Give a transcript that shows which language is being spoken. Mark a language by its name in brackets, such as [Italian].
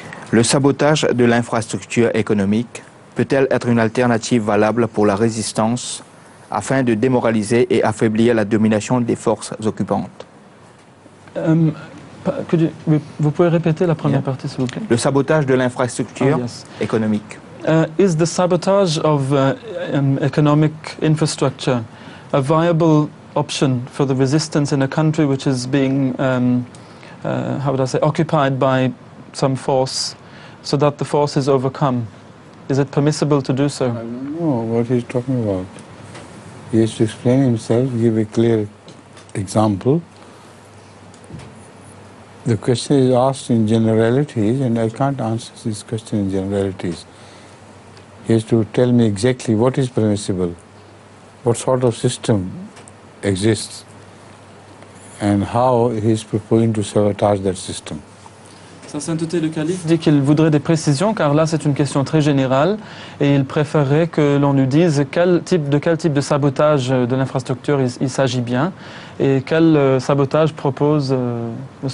[French] Le sabotage de l'infrastructure économique peut-elle être une alternative valable pour la résistance afin de démoraliser et affaiblir la domination des forces occupantes? Vous pouvez répéter la première partie, s'il vous plaît. Le sabotage de l'infrastructure économique. [English] Is the sabotage of economic infrastructure a viable option for the resistance in a country which is being occupied by some force, so that the force is overcome? Is it permissible to do so? I don't know what he's talking about. He has to explain himself, give a clear example. The question is asked in generalities, and I can't answer this question in generalities. He has to tell me exactly what is permissible, what sort of system exists, and how he is proposing to sabotage that system. [French] Sa sainteté le calife dit qu'il voudrait des précisions, car là c'est une question très générale, et il préférerait que l'on lui dise quel type de sabotage de l'infrastructure il s'agit bien, et quel sabotage propose M.